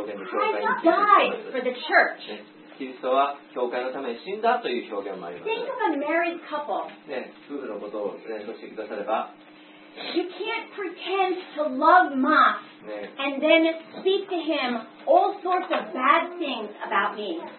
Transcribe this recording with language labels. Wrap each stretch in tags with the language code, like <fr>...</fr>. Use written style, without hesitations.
<en>Christ died for the church.</en> <ja>キリストは教会のために死んだという表現もあります。</ja> <en>Think of a married couple.</en> <ja>ね、夫婦のことを連想してくだされば、</ja> <en>You can't pretend to love Mark and then speak to him all sorts of bad things about me.</en>